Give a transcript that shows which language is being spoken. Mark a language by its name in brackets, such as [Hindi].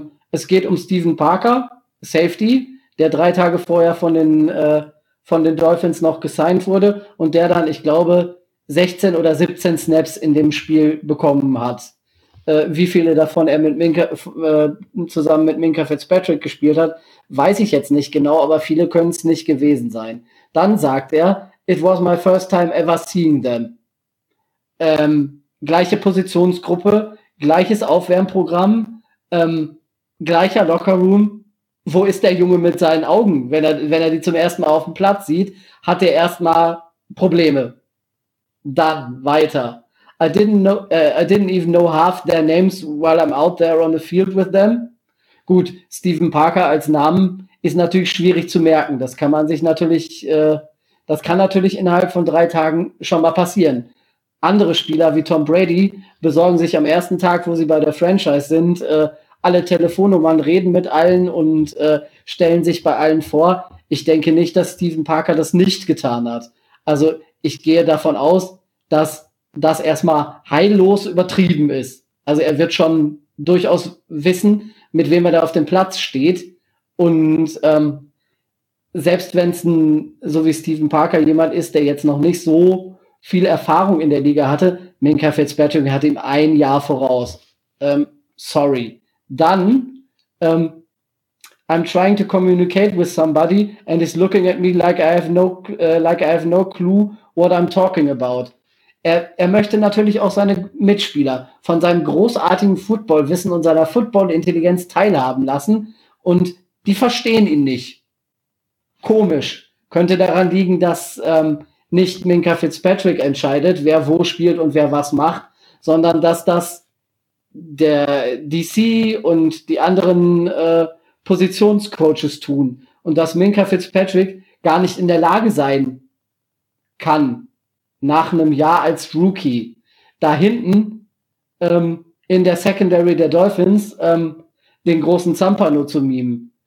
[German] Es geht um Stephen Parker, Safety, der 3 Tage vorher von den Dolphins noch gesigned wurde und der dann, ich glaube, 16 oder 17 Snaps in dem Spiel bekommen hat. Wie viele davon er mit Minka, zusammen mit Minka Fitzpatrick gespielt hat, weiß ich jetzt nicht genau, aber viele können es nicht gewesen sein. Dann sagt er, [English] it was my first time ever seeing them. [German] Gleiche Positionsgruppe, gleiches Aufwärmprogramm, gleicher Lockerroom. Wo ist der Junge mit seinen Augen? Wenn er die zum ersten Mal auf dem Platz sieht, hat er erstmal Probleme. Dann weiter. [English] I didn't even know half their names while I'm out there on the field with them. [German] Gut, Stephen Parker als Namen ist natürlich schwierig zu merken. Das kann man sich natürlich, das kann natürlich innerhalb von 3 Tagen schon mal passieren. Andere Spieler wie Tom Brady besorgen sich am ersten Tag, wo sie bei der Franchise sind, alle Telefonnummern, reden mit allen und stellen sich bei allen vor. Ich denke nicht, dass Stephen Parker das nicht getan hat. Also ich gehe davon aus, dass das erstmal heillos übertrieben ist. Also er wird schon durchaus wissen, mit wem er da auf dem Platz steht. Und selbst wenn es ein, so wie Stephen Parker, jemand ist, der jetzt noch nicht so viel Erfahrung in der Liga hatte, Minka Fitzpatrick hat ihm ein Jahr voraus. Sorry. Dann, [English] I'm trying to communicate with somebody and is looking at me like I have no clue what I'm talking about. [German] Er möchte natürlich auch seine Mitspieler von seinem großartigen Football-Wissen und seiner Football-Intelligenz teilhaben lassen und die verstehen ihn nicht. Komisch. Könnte daran liegen, dass nicht Minka Fitzpatrick entscheidet, wer wo spielt und wer was macht, sondern dass das der DC und die anderen Positionscoaches tun und dass Minka Fitzpatrick gar nicht in der Lage sein kann, nach einem Jahr als Rookie, da hinten in der Secondary der Dolphins den großen Zampano zu mimen.